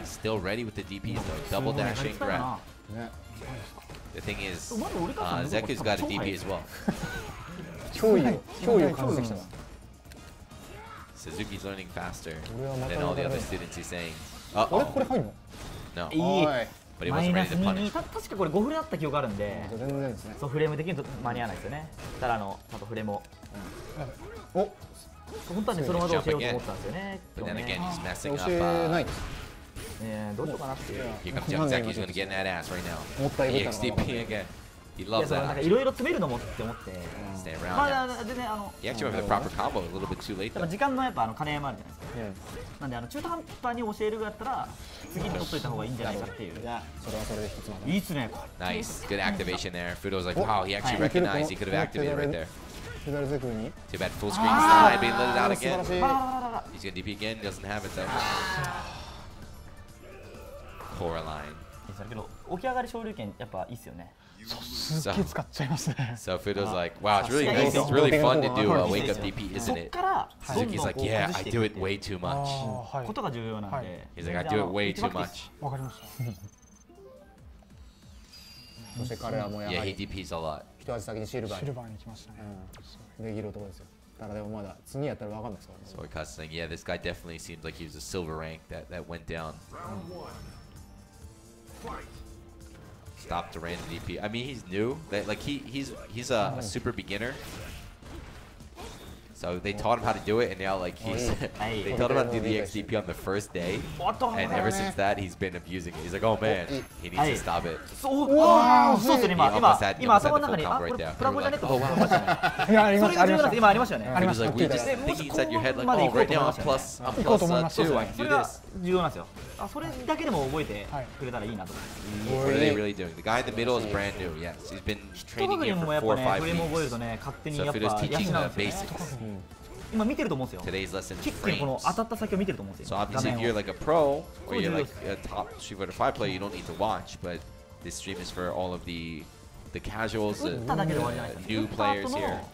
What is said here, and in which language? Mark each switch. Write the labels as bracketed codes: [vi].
[en] Still ready with the DP though. Double dashing grab. The thing is, Zeku's got a DP as well. [ja] 脅威を感じてきたな。 [en] Suzuki's learning faster than all the other students, he's saying. Uh-oh. No. But he wasn't ready to punish. [ja] 確かこれ5フレだった記憶があるんで、全然ですね。そう、フレーム的に間に合わないですよね。だからあの、ちゃんとフレームを。お、本当はね、その技を教えようと思ったんですよね。 [en] But then again, he's messing up. [ja] 教えないどうしようかなっていう。 [en] Here comes Jack. Zeki's gonna get in that ass right now. EXDP again. He loves that. [ja] いろいろ詰めるのもって思って。 [en] Stay around. ま [ja] だ全然あの。 [en] He actually went for the proper combo a little bit too late. [ja] 時間のやっぱあの兼ね合いもあるじゃないですか。 [en] Yeah. [ja] なんであの中途半端に教えるぐらいだったら次に取っといた方がいいんじゃないかっていう。いや、それはそれで一つも。いいっすね。 [en] Nice. Good activation there. Fudo's like, wow. He actually recognized he could have activated right there. Too bad full screen is not being lit out again. He's gonna DP again. Doesn't have it though. Coraline. [ja] だけど起き上がり昇竜拳やっぱいいっすよね。すっげー使っちゃいますね。 [en] So Fudo's like, wow, it's really nice. It's really fun to do a wake up DP, isn't it? Suzuki's like, yeah, I do it way too much. [ja] ことが重要なんで。 [en] He's like, I do it way too much. [ja] わかりました。そして彼らもやはり。 [en] Yeah, he DPs a lot. [ja] 一足先にシルバーに。シルバーに行きましたね。ネギロとかですよ。ただでもまだ次やったらわかんないですから。 [en] So Kaz saying, yeah, this guy definitely seems like he was a silver rank that went down. Stop the random DP. I mean, he's new. Like he's a super beginner. So they taught him how to do it, and now like he's they taught him how to do the XDP on the first day. And ever since that, he's been abusing it. He's like, oh man, he needs to stop it. So wow, so he almost had the full combo right there. He was like, we just think he's at your head. Like, oh, right now I'm plus two. I can do this. [ja] あ、それだけでも覚えてくれたらいいなと思います [en] 。 What are they really doing? The guy in the middle is brand new. Yes, he's been training here for 4 or 5 weeks. [ja] フレームを覚えるとね、勝手にやっぱ養うんですよ。今見てると思うんですよ。キックのこの当たった先を見てると思うんですよ。 [en] So obviously, if you're like a pro or you're like a top Street Fighter 5 player, you don't need to watch. But this stream is for all of the casuals, the new players here.